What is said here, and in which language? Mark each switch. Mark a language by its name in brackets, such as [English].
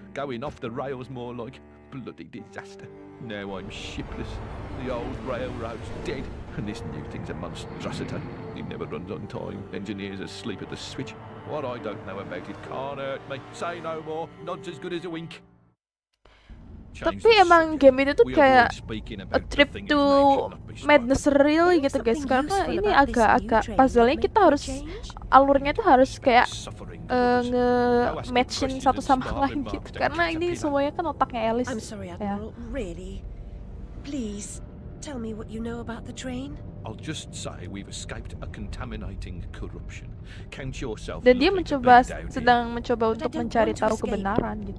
[English] Going off the rails more like. Bloody disaster. Now I'm shipless. The old railroad's dead. And this new thing's a monstrosity. It never runs on time. Engineers asleep at the switch. What I don't know about it can't hurt me. Say no more. Nod's as good as a wink. [Indonesian] Tapi emang game ini tuh kayak [English] a trip to madness [Indonesian] real gitu guys, karena ini agak-agak puzzle-nya kita harus, alurnya tuh harus kayak nge-matchin satu sama lain gitu, karena ini semuanya kan otaknya Alice. [English] I'm sorry, Admiral, really. Please tell me what you know about the train. I'll just say we've escaped a contaminating corruption. Count yourself. [Indonesian] Dan dia mencoba, sedang mencoba untuk mencari tahu kebenaran gitu.